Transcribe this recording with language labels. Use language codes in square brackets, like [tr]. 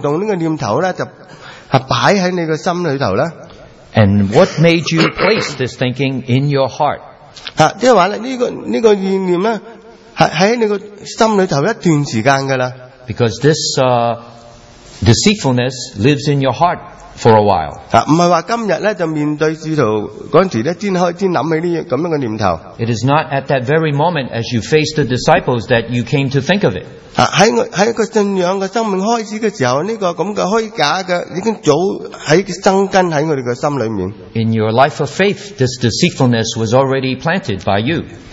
[zh] 直接譯他講話,為什麼你故意將這個行動,這個念頭,擺在你的心裡呢? [en] And what made you place this thinking in your heart? [zh] 即是說,這個意念,在你的心裡一段時間的了。 [en] Because this deceitfulness lives in your heart for a while. [zh] 不是說今天面對使徒的時候,才想起這樣的念頭。 [en] It is not at that very moment as you face the disciples that you came to think of it. [zh] 在一個信仰的生命開始的時候,這個虛假的已經早在生根在我們的心裡面。 [en] In your life of faith, this deceitfulness was already planted by you.